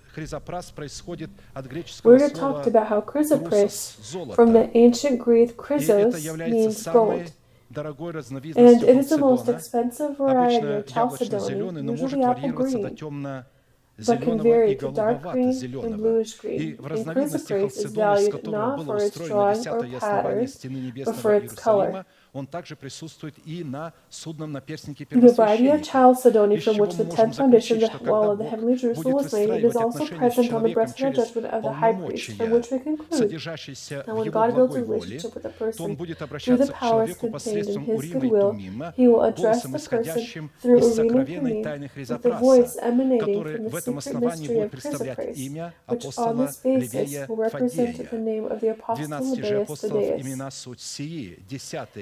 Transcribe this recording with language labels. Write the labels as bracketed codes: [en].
[en] We already talked about how chrysoprase, from the ancient Greek chrysos, means gold. And it is the most expensive variety of chalcedony, usually apple green, but can vary to dark green and bluish green. And chrysoprase is valued not for its drawing or pattern, but for its color. [ru] Он также присутствует и на судном наперстнике первосвященника. [en] From which the 10th foundation of the wall of the heavenly Jerusalem was made, it is also present on the breastplate of judgment of the high priest, from which we conclude that when God builds a relationship with a person through the powers contained in his goodwill, he will address the person through Urim and Thummim with the voice emanating from the secret mystery of Chrysoprase, which on this basis will represent the name of the apostle Lebbeus Thaddeus.